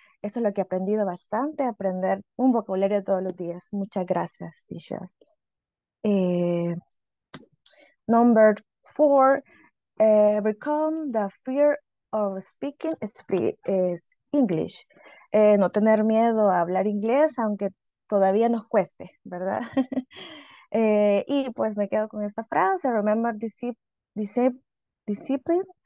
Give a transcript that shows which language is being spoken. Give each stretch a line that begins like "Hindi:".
Spanish: Eso es lo que he aprendido bastante, aprender un vocabulario todos los días. Muchas gracias, teacher.
English: Number four, overcome the fear of speaking English.
Spanish: No tener miedo a hablar inglés, aunque todavía nos cueste, ¿verdad? y pues me quedo con esta frase,
English: remember discipline.